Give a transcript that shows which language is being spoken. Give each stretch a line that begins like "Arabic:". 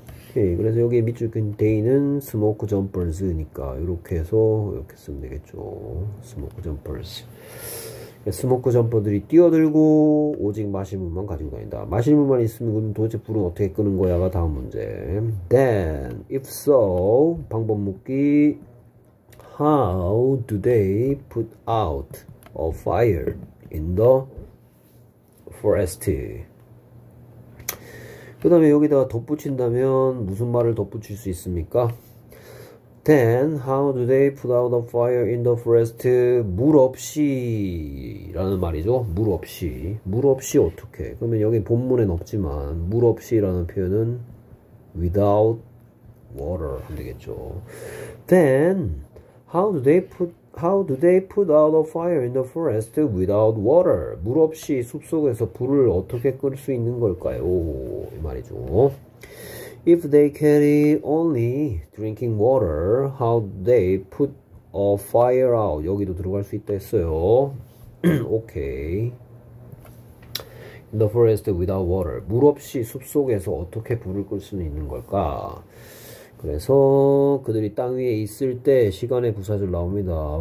Korean: 오케이. 그래서 여기 밑줄 contain은 smoke jumpers니까, 이렇게 해서 이렇게 쓰면 되겠죠. smoke jumpers. smoke jumper들이 뛰어들고, 오직 마실 물만 가지고 다닌다. 마실 물만 있으면 그럼 도대체 불은 어떻게 끄는 거야가 다음 문제.
English: Then, if so,
Korean: 방법 묻기.
English: How do they put out a fire in the forest?
Korean: 그 다음에 여기다가 덧붙인다면 무슨 말을 덧붙일 수 있습니까?
English: Then, how do they put out a fire in the forest?
Korean: 물 없이 라는 말이죠. 물 없이. 물 없이 어떻게? 그러면 여기 본문엔 없지만, 물 없이 라는 표현은
English: without water
Korean: 하면 되겠죠.
English: Then, how do they put out a fire in the forest without water?
Korean: 물 없이 숲속에서 불을 어떻게 끌수 있는 걸까요? 이 말이죠.
English: If they carry only drinking water, how do they put a fire out?
Korean: 여기도 들어갈 수 있다 했어요.
English: Okay. In the forest without water.
Korean: 물 없이 숲속에서 어떻게 불을 끌 수는 있는 걸까? 그래서 그들이 땅 위에 있을 때 시간의 부사절 나옵니다.